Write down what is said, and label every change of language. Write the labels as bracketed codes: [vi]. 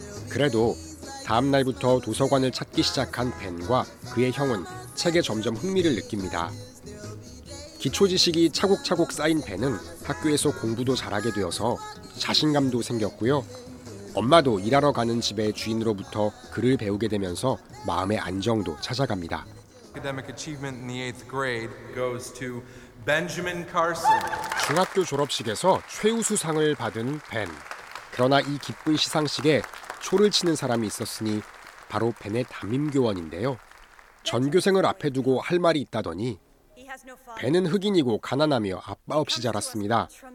[ko] 그래도 다음 날부터 도서관을 찾기 시작한 벤과 그의 형은 책에 점점 흥미를 느낍니다. 기초 지식이 차곡차곡 쌓인 벤은 학교에서 공부도 잘하게 되어서 자신감도 생겼고요. 엄마도 일하러 가는 집의 주인으로부터 글을 배우게 되면서 마음의 안정도 찾아갑니다. [en] Academic achievement in the eighth grade goes to Benjamin Carson. [ko] 중학교 졸업식에서 최우수상을 받은 벤. 그러나 이 기쁜 시상식에 초를 치는 사람이 있었으니 바로 벤의 담임교원인데요. 전교생을 앞에 두고 할 말이 있다더니 벤은 흑인이고 가난하며 아빠 없이 자랐습니다.